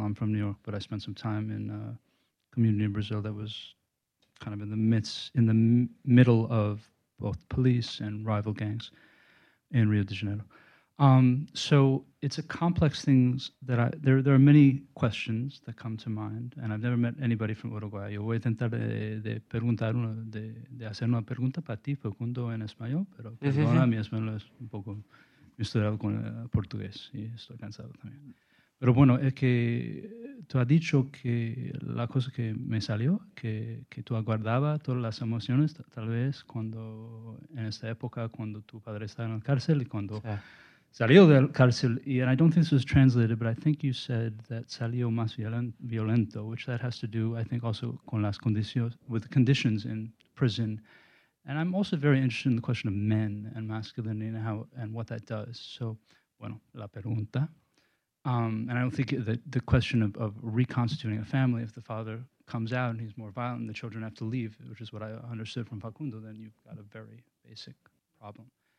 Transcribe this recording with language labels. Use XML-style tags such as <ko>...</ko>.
<en>I'm from New York, but I spent some time in a community in Brazil that was kind of in the middle of both police and rival gangs in Rio de Janeiro. So it's a complex thing that there are many questions that come to mind, and I've never met anybody from Uruguay.</en> <es>Yo voy a intentar hacer una pregunta para ti, Facundo, en español, pero perdona, mi español es un poco... Misturado con portugués y estoy cansado también. Pero bueno, es que tú has dicho que la cosa que me salió, que tú aguardabas todas las emociones, tal vez cuando en esta época, cuando tu padre estaba en la cárcel y cuando salió de la cárcel.</es> <en>And I don't think this was translated, but I think you said that</en> <es>salió más violento,</es> <en>which that has to do, I think, also</en> <es>con las condiciones,</es> <en>with the conditions in prison. And I'm also very interested in the question of men and masculinity and how and what that does. So,</en> <es>bueno, la pregunta.</es> <en>And I don't think that the question of reconstituting a family, if the father comes out and he's more violent and the children have to leave, which is what I understood from Facundo, then you've got a very basic problem.</en>